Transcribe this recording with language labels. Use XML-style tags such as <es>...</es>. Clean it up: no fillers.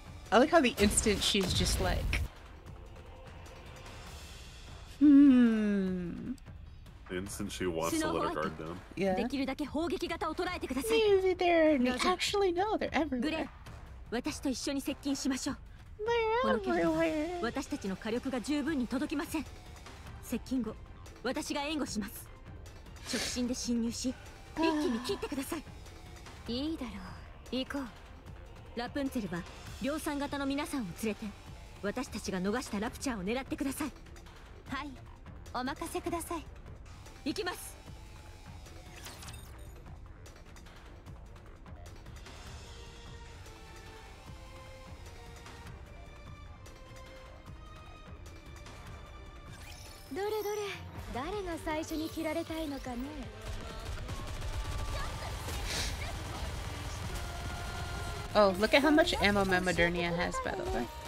<en>I like how the instant she's just like, The instant she wants to let her guard down. Yeah.</en> <ja>できるだけ砲撃型を捉えてください。</ja> <en>Maybe they're not actually no, they're everywhere.</en> <ja>グレン、私と一緒に接近しましょう。</ja> <en>They're everywhere.</en> <ja>私たちの火力が十分に届きません。接近後、私が援護します。直進で侵入し、一気に切ってください。いいだろう。行こう。ラプンツェルは量産型の皆さんを連れて私たちが逃したラプチャーを狙ってください。はい、お任せください。行きます。どれどれ、誰が最初に切られたいのかね。</ja> <en>Oh, look at how much ammo Mamadernia has, by the way.</en>